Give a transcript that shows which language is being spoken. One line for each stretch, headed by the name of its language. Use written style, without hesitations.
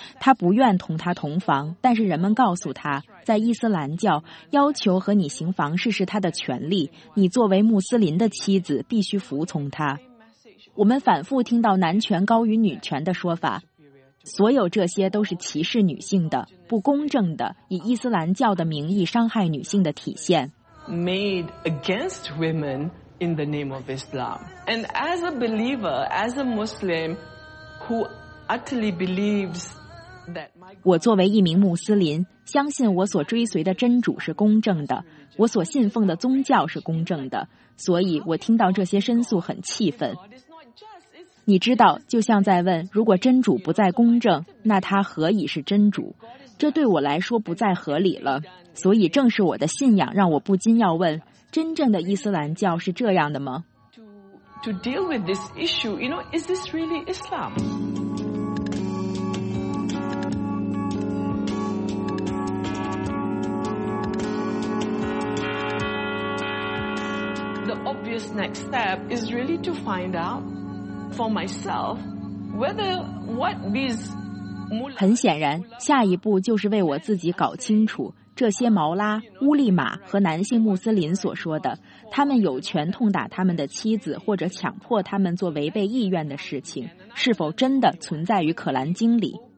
Chinese: 他不愿同他同房，但是人们告诉他，在伊斯兰教，要求和你行房事是他的权利，你作为穆斯林的妻子必须服从他。我们反复听到男权高于女权的说法，所有这些都是歧视女性的、不公正的、以伊斯兰教的名义伤害女性的体现。
English: Made against women in the name of Islam. And as a believer, as a Muslim who utterly believes that my...
Chinese: 我作为一名穆斯林，相信我所追随的真主是公正的，我所信奉的宗教是公正的，所以我听到这些申诉很气愤。你知道，就像在问，如果真主不再公正，那他何以是真主？这对我来说不再合理了。所以正是我的信仰让我不禁要问，真正的伊斯兰教是这样的吗？
English: To deal with this issue, you know, is this really Islam?
Chinese: 很显然，下一步就是为我自己搞清楚，这些毛拉、乌利玛和男性穆斯林所说的，他们有权痛打他们的妻子或者强迫他们做违背意愿的事情，是否真的存在于《可兰经》里？